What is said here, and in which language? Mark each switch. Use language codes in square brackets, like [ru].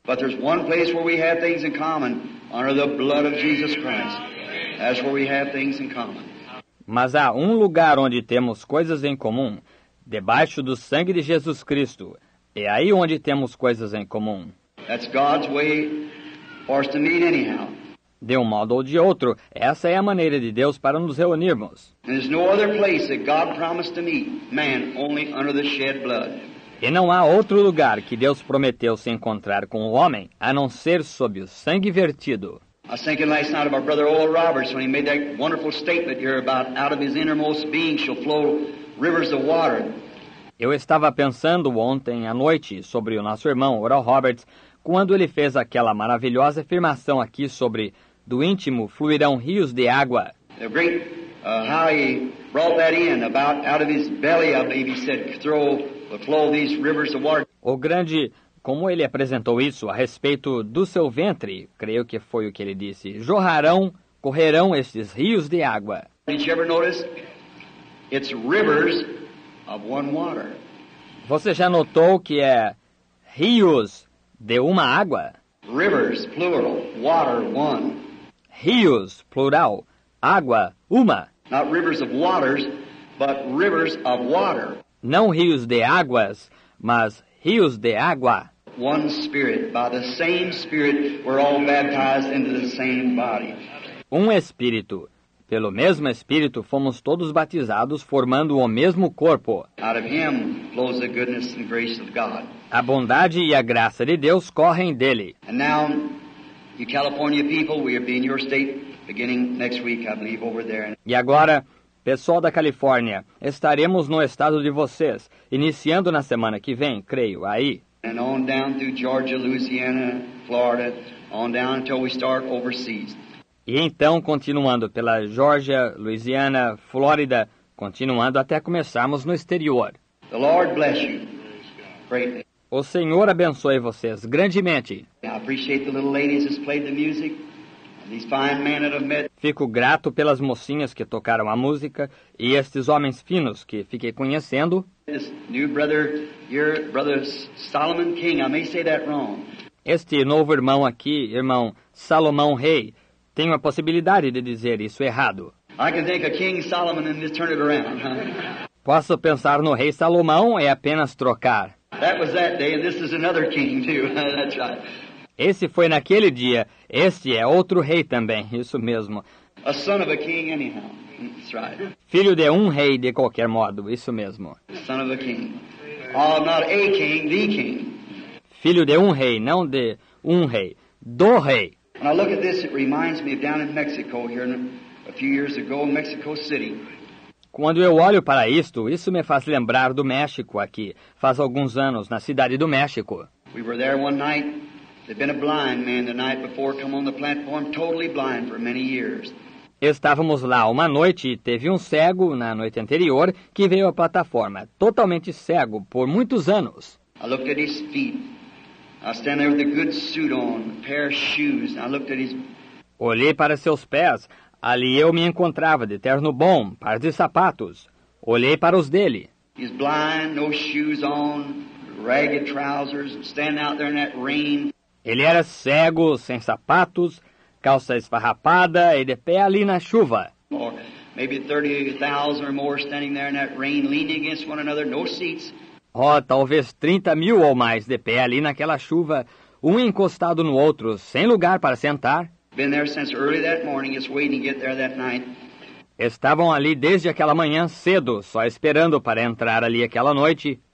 [en] But there's one place where we have things in common, under the blood of Jesus Christ. That's where we have things in common. [pt] Mas há um lugar onde temos coisas em comum, debaixo do sangue de Jesus Cristo. É aí onde temos coisas em comum. [en] That's God's way for us to meet anyhow. [pt] De um modo ou de outro, essa é a maneira de Deus para nos reunirmos. [en] There's no other place that God promised to meet man only under the shed blood. [pt] E não há outro lugar que Deus prometeu se encontrar com o homem, a não ser sob o sangue vertido. [en] I was thinking last night about Brother Oral Roberts when he made that wonderful statement here about out of his innermost being shall flow rivers of water. [pt] Eu estava pensando ontem à noite sobre o nosso irmão Oral Roberts, quando ele fez aquela maravilhosa afirmação aqui sobre do íntimo fluirão rios de água. [en] The great, how he brought that in, about out of his belly, I believe he said, throw, flow these rivers of water. [pt] O grande, como ele apresentou isso a respeito do seu ventre, creio que foi o que ele disse, jorrarão, correrão estes rios de água. [en] Did you ever notice? It's rivers of one water. [pt] Você já notou que é rios de uma água? [en] Rivers, plural, water, one. [pt] Rios, plural, água, uma. [en] Not rivers of waters, but rivers of water. [pt] Não rios de águas, mas rios de água. [en] One spirit, by the same spirit, we're all baptized into the same body. [pt] Um espírito. Pelo mesmo Espírito, fomos todos batizados, formando o mesmo corpo. [en] Out of him flows the goodness and grace of God. [pt] A bondade e a graça de Deus correm dele. [en] And now, you California people, we are being your state beginning next week, I believe, over there. [pt] E agora, pessoal da Califórnia, estaremos no estado de vocês, iniciando na semana que vem, creio, aí. [en] And on down through Georgia, Louisiana, Florida, on down until we start overseas. [pt] E então, continuando pela Georgia, Louisiana, Flórida, continuando até começarmos no exterior. [en] The Lord bless you. Great. [pt] O Senhor abençoe vocês grandemente. [en] I appreciate the little ladies that played the music. These fine men that have met. [pt] Fico grato pelas mocinhas que tocaram a música e estes homens finos que fiquei conhecendo. [en] This new brother, your brother Solomon King, I may say that wrong. [pt] Este novo irmão aqui, irmão Salomão Rei, tenho a possibilidade de dizer isso errado. [en] I can think of King Solomon and just turn it around. [pt] Posso pensar no rei Salomão e apenas trocar. [en] That was that day and this is another king too. That's right. [pt] Esse foi naquele dia. Este é outro rei também. Isso mesmo. [en] A son of a king anyhow. That's right. [pt] Filho de um rei de qualquer modo. Isso mesmo. [en] Son of a king. Oh, not a king, the king. [pt] Filho de um rei, não de um rei. Do rei. [en] When I look at this, it reminds me of down in Mexico here a few years ago in Mexico City. [pt] Quando eu olho para isto, isso me faz lembrar do México aqui, faz alguns anos, na cidade do México. [en] We were there one night. There'd been a blind man the night before come on the platform, totally blind for many years. [pt] Estávamos lá uma noite e teve um cego na noite anterior que veio à plataforma, totalmente cego, por muitos anos. [en] I looked at his feet. I stand there with a good suit on, a pair of shoes, and I looked at his... [pt] Olhei para seus pés. Ali eu me encontrava, de terno bom, par de sapatos. Olhei para os dele. [en] He's blind, no shoes on, ragged trousers, standing out there in that rain. [pt] Ele era cego, sem sapatos, calça esfarrapada e de pé ali na chuva. [en] Or maybe 30,000 or more standing there in that rain, leaning against one another, no seats. [pt] Oh, talvez 30 mil ou mais de pé ali naquela chuva, um encostado no outro, sem lugar para sentar. [en] Been there since early that morning, just waiting to get there that night. [pt] Estavam ali desde aquela manhã cedo, só esperando para entrar ali aquela noite.